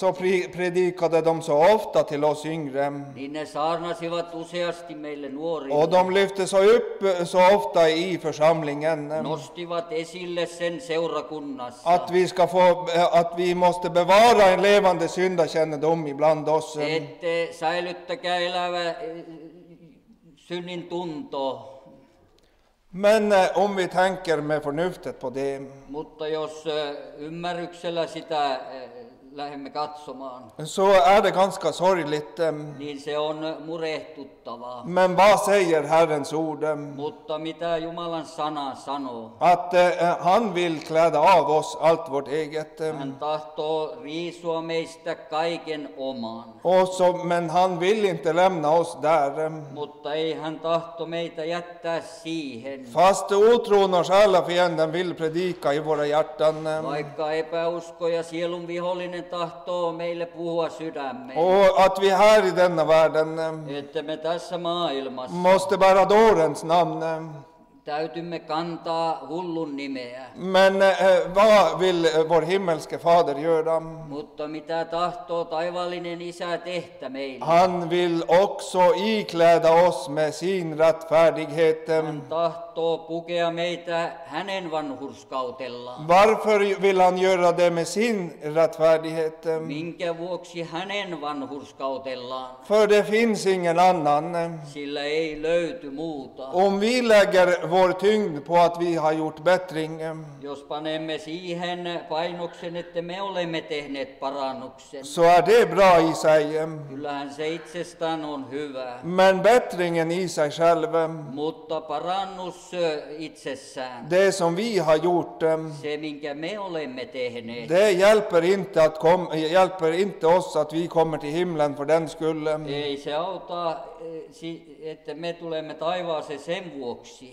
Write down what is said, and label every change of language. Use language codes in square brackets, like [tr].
[sv] Så predikade de så ofta till oss yngre. [fi] Niin ne saarnasivat useasti meille nuorille. [sv] Och de lyfte så upp så ofta i församlingen. [fi] Nostivat esille sen seurakunnassa. [sv] Att vi ska få, att vi måste bevara en levande syndakännedom ibland oss. [fi] Ette säilyttäkää elävä synnin tunto. [sv] Men om vi tänker med förnuftet på det. [fi] Mutta jos ymmärryksellä sitä lähemme katsomaan. [sv] Så är det ganska sorgligt. [fi] Niin se on murehtuttavaa. [sv] Men vad säger Herrens ord? [fi] Mutta mitä Jumalan sana sanoo? [sv] Att han vill kläda av oss allt vårt eget. [fi] Hän tahtoo riisua meistä kaiken oman. [sv] Men han vill inte lämna oss där. [fi] Mutta ei hän tahto meitä jättää siihen. [sv] Fast otron och själva fienden vill predika i våra hjärtan. [fi] Vaikka epäusko ja sielun vihollinen. Ne tahtoo meille puhua sydämme. [sv] Och att vi här i denna världen. [fi] Että me tässä maailmassa. [sv] Måste bära dårens namn. [fi] Täytymme kantaa hullun nimeä. [sv] Men vad vill vår himmelske fader göra? [fi] Mutta mitä tahtoo taivallinen isä tehdä meille? [sv] Han vill också ikläda oss med sin rättfärdighet. [fi] Hän tahtoo pukea meitä hänen vanhurskautellaan. [sv] Varför vill han göra det med sin rättfärdighet? [fi] Minkä vuoksi hänen vanhurskautellaan? [sv] För det finns ingen annan. [fi] Sillä ei löyty muuta. [sv] Om vi lägger vår tyngd på att vi har gjort bättring. [fi] Jos panemme siihen painoksen, että me olemme tehneet parannuksen. [sv] Så är det bra i sig. [fi] Kyllähän se itsestään on hyvä. [sv] Men bättringen i sig själv. [fi] Mutta parannus itsessään. [sv] Det som vi har gjort. [fi] Se minkä me olemme tehneet. [sv] Det hjälper inte att hjälper inte oss att vi kommer till himlen för den skull. [fi] Ei se auta, että me tulemme taivaaseen sen vuoksi.